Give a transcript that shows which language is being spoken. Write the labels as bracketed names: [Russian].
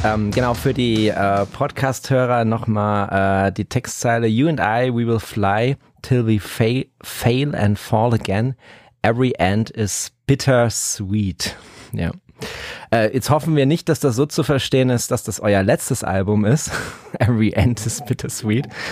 [German] Genau, für die Podcast-Hörer nochmal die Textzeile. [English] You and I, we will fly till we fail and fall again. Every end is bittersweet. [German] Ja. Jetzt hoffen wir nicht, dass das so zu verstehen ist, dass das euer letztes Album ist. [English] Every end is bittersweet.